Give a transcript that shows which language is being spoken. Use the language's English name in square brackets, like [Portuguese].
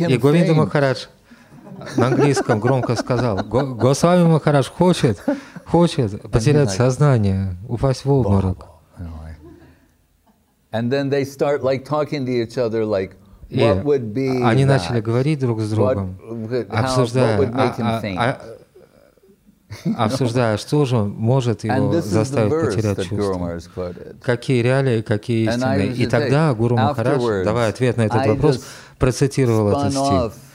[Russian] И Говинда Махарадж на английском громко сказал, Госвами Махарадж хочет потерять сознание, упасть в обморок. [English] And then they start like talking to each other, like, what would be? [Russian] Они начали говорить друг с другом, обсуждая, что же может его заставить потерять чувства, какие реалии, какие истины. И тогда Гуру Махарадж, давая ответ на этот вопрос, процитировал этот стих.